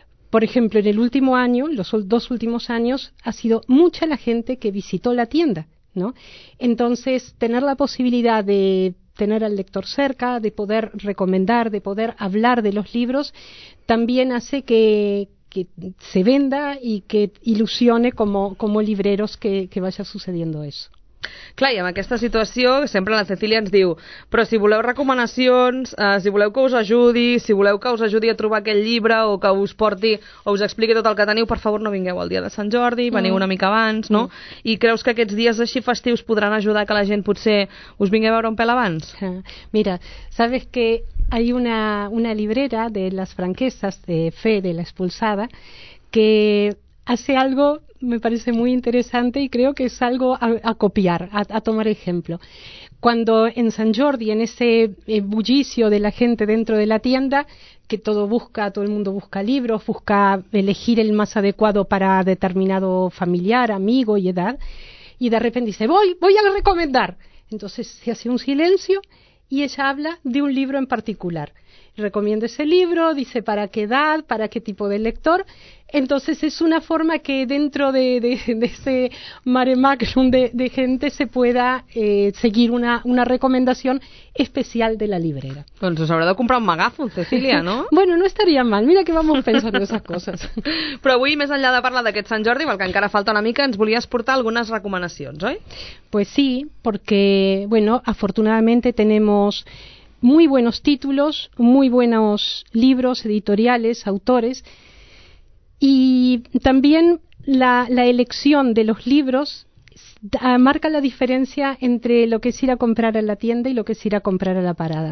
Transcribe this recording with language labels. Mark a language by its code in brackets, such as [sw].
[es] Por ejemplo, en el último año, los 2 últimos años, ha sido mucha la gente que visitó la tienda, ¿no? Entonces, tener la posibilidad de tener al lector cerca, de poder recomendar, de poder hablar de los libros, también hace que se venda y que ilusione como libreros que vaya sucediendo eso. [ca] Clar, i amb aquesta situació, sempre la Cecília ens diu, però si voleu recomanacions, si voleu que us ajudi, si voleu que us ajudi a trobar aquell llibre o que us porti o us expliqui tot el que teniu, per favor no vingueu el dia de Sant Jordi, veniu una mica abans, no? I creus que aquests dies així festius podran ajudar que la gent potser us vingui a veure un pèl abans? [es] Mira, sabes que hay una librera de las franquesas, de Fe, de La Expulsada, que hace algo... Me parece muy interesante y creo que es algo a copiar, a tomar ejemplo. Cuando en San Jordi, en ese bullicio de la gente dentro de la tienda, que todo el mundo busca libros, busca elegir el más adecuado para determinado familiar, amigo y edad, y de repente dice, voy a recomendar. Entonces se hace un silencio y ella habla de un libro en particular. Recomienda ese libro, dice para qué edad, para qué tipo de lector. Entonces es una forma que dentro de ese mare magnum de gente se pueda seguir una recomendación especial de la librera. [ca] Doncs us haurà de comprar un megàfon, Cecília, no? [es] Bueno, no estaria mal. Mira que vamos pensando esas cosas. [ca] Però avui, més enllà de parlar d'aquest Sant Jordi, perquè encara falta una mica, ens volies portar algunes recomanacions, oi? [es] Pues sí, porque, bueno, afortunadamente tenemos... Muy buenos títulos, muy buenos libros, editoriales, autores. Y también la elección de los libros marca la diferencia entre lo que es ir a comprar a la tienda y lo que es ir a comprar a la parada.